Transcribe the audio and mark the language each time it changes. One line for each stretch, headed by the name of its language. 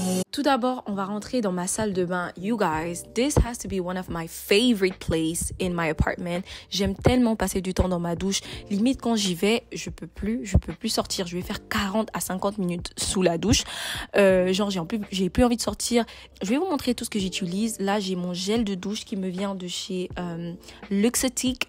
French: Tout d'abord, on va rentrer dans ma salle de bain.
English: You guys, this has to be one of my favorite places in my apartment.
French: J'aime tellement passer du temps dans ma douche. Limite, quand j'y vais, je peux plus sortir. Je vais faire 40 à 50 minutes sous la douche. J'ai plus envie de sortir. Je vais vous montrer tout ce que j'utilise. Là, j'ai mon gel de douche qui me vient de chez Luxottic.